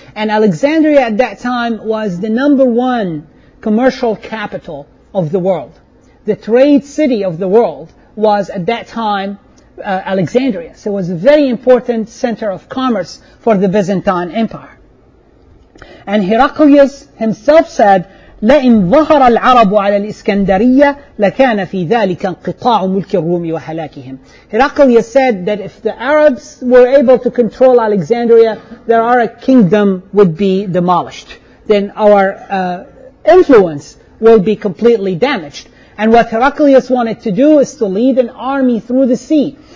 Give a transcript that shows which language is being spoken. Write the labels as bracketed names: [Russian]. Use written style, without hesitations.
[English] And Alexandria at that time was the number one commercial capital of the world. The trade city of the world was at that time Alexandria. So it was a very important center of commerce for the Byzantine Empire. And Heraclius himself said, [Arabic] لَإِنْ ظَهَرَ الْعَرَبُ عَلَى الْإِسْكَنْدَرِيَّةِ لَكَانَ فِي ذَلِكَ قِطَاعُ مُلْكِ الرُّومِ وَهَلَاكِهِمْ. [English] Heraclius said that if the Arabs were able to control Alexandria, their kingdom would be demolished. Then our influence will be completely damaged. And what Heraclius wanted to do is to lead an army through the sea.